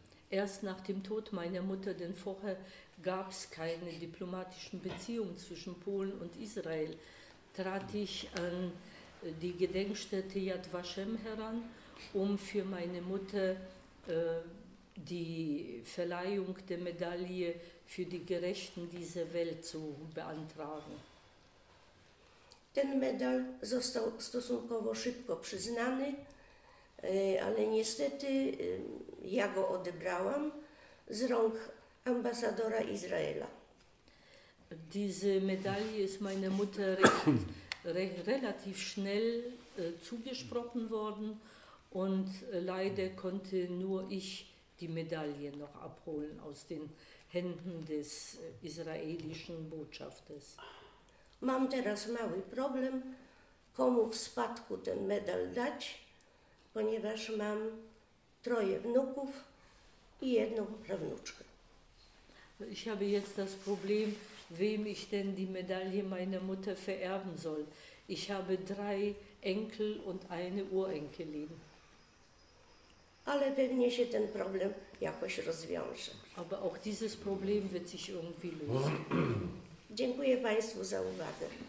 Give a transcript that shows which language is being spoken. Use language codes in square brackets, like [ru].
[de] Erst nach dem Tod meiner Mutter, denn vorher gab es keine diplomatischen Beziehungen zwischen Polen und Israel, trat ich an die Gedenkstätte Yad Vashem heran, um für meine Mutter die Verleihung der Medaille für die Gerechten dieser Welt zu beantragen. [pl] Ten medal został stosunkowo szybko przyznany, ale niestety ja go odebrałam z rąk ambasadora Izraela. [de] Diese Medaille ist meiner Mutter recht relativ schnell zugesprochen worden und leider konnte nur ich die Medaille noch abholen aus den Händen des israelischen Botschafters. [pl] Mam teraz mały problem, komu w spadku ten medal dać, ponieważ mam troje wnuków i jedną prawnuczkę. [de] Ich habe jetzt das Problem, wem ich denn die Medaille meiner Mutter vererben soll. Ich habe drei Enkel und eine Urenkelin. [pl] Ale pewnie się ten problem jakoś rozwiąże. [de] Aber auch dieses Problem wird sich irgendwie lösen. [pl] Dziękuję Państwu za uwagę.